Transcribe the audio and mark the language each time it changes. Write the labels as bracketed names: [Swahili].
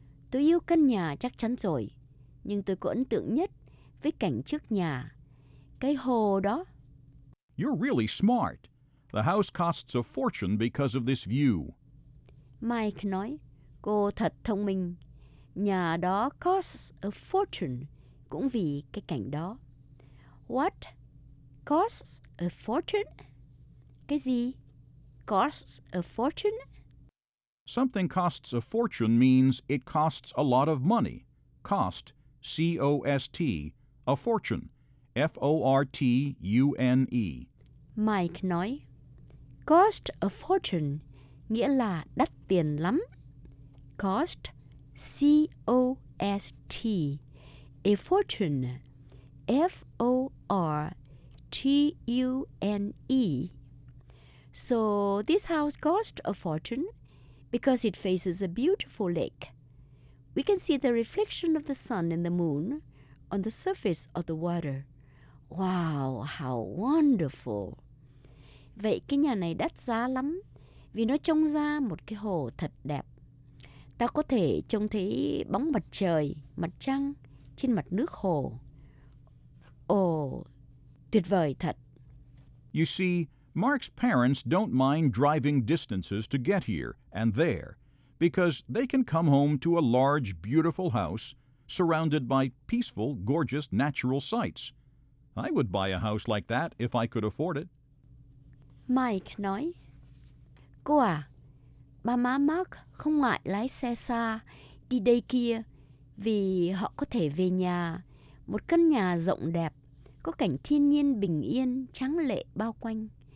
[Vietnamese] Tôi yêu căn nhà chắc chắn rồi, nhưng tôi có ấn tượng nhất với cảnh trước nhà, cái hồ đó. [English] You're really smart. The house costs a fortune because of this view. [Vietnamese] Mike nói, cô thật thông minh. Nhà đó [English] costs a fortune, [Vietnamese] cũng vì cái cảnh đó. [English] What? Costs a fortune? [Vietnamese] Cái gì? [English] Costs a fortune? Something costs a fortune means it costs a lot of money. Cost, C-O-S-T, a fortune, F-O-R-T-U-N-E. [Vietnamese] Mike nói, [English] cost a fortune [Vietnamese] nghĩa là đắt tiền lắm. [English] Cost, C-O-S-T, a fortune, F-O-R-T-U-N-E. So this house cost a fortune because it faces a beautiful lake. We can see the reflection of the sun and the moon on the surface of the water. Wow, how wonderful! [Vietnamese] Vậy cái nhà này đắt giá lắm vì nó trông ra một cái hồ thật đẹp. Ta có thể trông thấy bóng mặt trời, mặt trăng trên mặt nước hồ. Tuyệt vời thật. [English] You see, Mark's parents don't mind driving distances to get here and there because they can come home to a large, beautiful house surrounded by peaceful, gorgeous natural sights. I would buy a house like that if I could afford it. [Vietnamese] Mike nói, Cô à, ba má Mark không ngại lái xe xa đi đây kia vì họ có thể về nhà, một căn nhà rộng đẹp, có cảnh thiên nhiên bình yên, trắng lệ bao quanh.